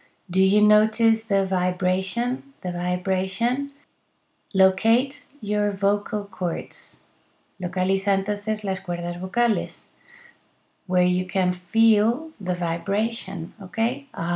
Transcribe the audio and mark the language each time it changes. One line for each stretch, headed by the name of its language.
English: Do you notice the vibration? The vibration? Locate your vocal cords.
Spanish: Localiza entonces las cuerdas vocales.
English: Where you can feel the vibration, okay?